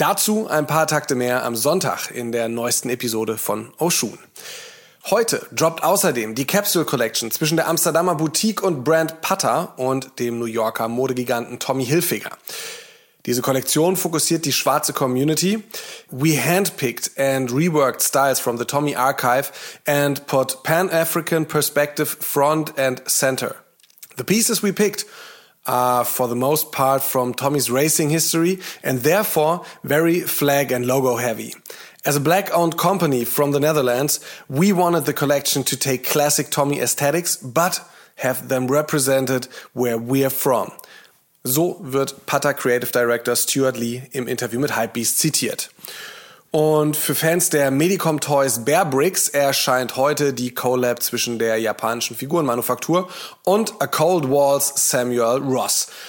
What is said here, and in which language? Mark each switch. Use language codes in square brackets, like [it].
[de] Dazu ein paar Takte mehr am Sonntag in der neuesten Episode von O Shoon. Heute droppt außerdem die Capsule Collection zwischen der Amsterdamer Boutique und Brand Putter und dem New Yorker Modegiganten Tommy Hilfiger. Diese Kollektion fokussiert die schwarze Community. [en] We handpicked and reworked styles from the Tommy Archive and put Pan-African perspective front and center. The pieces we picked are for the most part from Tommy's racing history and therefore very flag and logo heavy. As a black-owned company from the Netherlands, we wanted the collection to take classic Tommy aesthetics but have them represented where we are from. [de] So wird Putter Creative Director Stuart Lee im Interview mit Hypebeast zitiert. Und für Fans der Medicom Toys Bear Bricks erscheint heute die Collab zwischen der japanischen Figurenmanufaktur und A Cold Walls Samuel Ross.